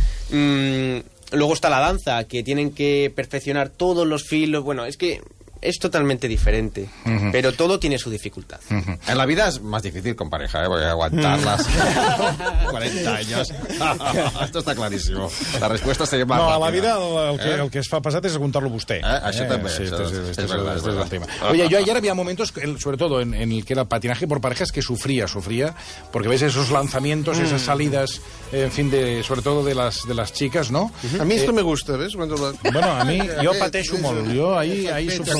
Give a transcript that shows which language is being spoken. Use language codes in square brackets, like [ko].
[es] Luego está la danza, que tienen que perfeccionar todos los filos. Bueno, es que es totalmente diferente, pero todo tiene su dificultad. En la vida es más difícil con pareja, ¿eh? Porque aguantarlas 40 años. Esto está clarísimo. La respuesta sería más rápida. [ca] No, a la vida el que es fa passat és aguantar-lo vostè. Això també. Sí, és el tema. [es] Oye, yo ayer había momentos, sobre todo en el que era patinaje por parejas, que sufría, porque ves esos lanzamientos, esas salidas, en fin, sobre todo de las chicas, ¿no? A mí esto me gusta, ¿ves? Bueno, a mí, yo [ca] pateixo molt, [es] yo ahí sufro.